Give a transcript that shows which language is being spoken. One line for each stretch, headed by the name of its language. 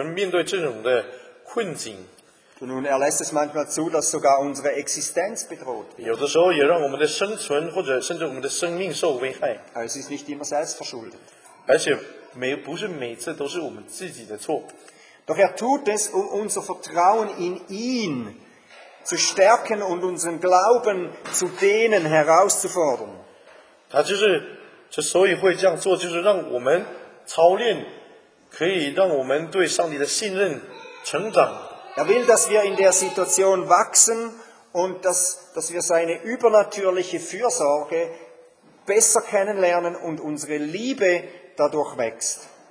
Chinese: 所以上帝有的时候会让我们面对这种的困境。
German: Nun, er lässt es manchmal zu, dass sogar unsere Existenz bedroht wird.
Chinese: 有的时候也让我们的生存或者甚至我们的生命受危害。
German: Es ist nicht immer selbstverschuldet.
Chinese: 而且不是每次都是我们自己的错。
German: Doch er tut es, um unser Vertrauen in ihn zu stärken und unseren Glauben zu dehnen, herauszufordern.
Chinese: 他就是之所以会这样做，就是让我们 操练可以让我们对上帝的信任成长。
German: Er will, dass wir in der Situation wachsen und dass wir seine übernatürliche Fürsorge besser kennenlernen und unsere Liebe dadurch wächst.